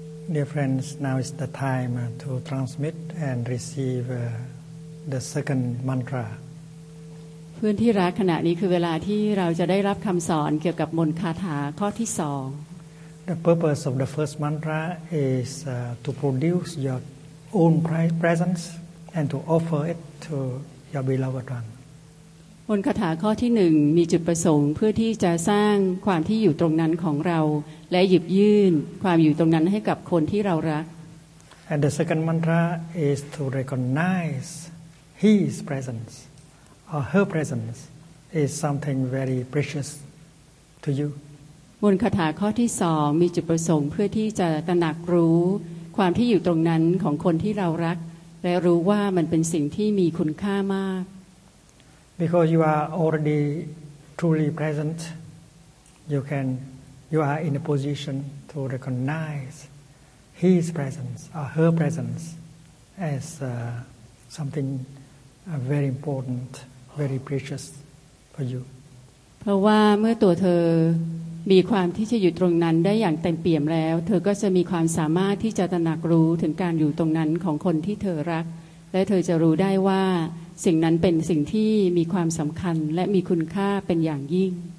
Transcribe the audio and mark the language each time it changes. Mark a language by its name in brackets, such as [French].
[English] Dear friends, now is the time to transmit and receive the second mantra. [Thai] เพื่อนที่รักขณะนี้คือเวลาที่เราจะได้รับคำสอนเกี่ยวกับมนต์คาถาข้อที่สอง [English] The purpose of the first mantra is to produce your own presence and to offer it to your beloved one. [Thai] มนต์คาถาข้อที่หนึ่งมีจุดประสงค์เพื่อที่จะสร้างความที่อยู่ตรงนั้นของเราและหยิบยื่นความอยู่ตรงนั้นให้กับคนที่เรารัก [English] And the second mantra is to recognize his presence or her presence is something very precious to you [Thai] มนต์คาถาข้อที่สองมีจุดประสงค์เพื่อที่จะตระหนักรู้ความที่อยู่ตรงนั้นของคนที่เรารักและรู้ว่ามันเป็นสิ่งที่มีคุณค่ามาก [English] Because you are already truly present you canYou are in a position to recognize his presence or her presence as something very important, very precious for you. [Thai] เพราะว่าเมื่อตัวเธอมีความที่จะอยู่ตรงนั้นได้อย่างเต็มเปี่ยมแล้วเธอก็จะมีความสามารถที่จะตระหนักรู้ถึงการอยู่ตรงนั้นของคนที่เธอรักและเธอจะรู้ได้ว่าสิ่งนั้นเป็นสิ่งที่มีความสำคัญและมีคุณค่าเป็นอย่างยิ่ง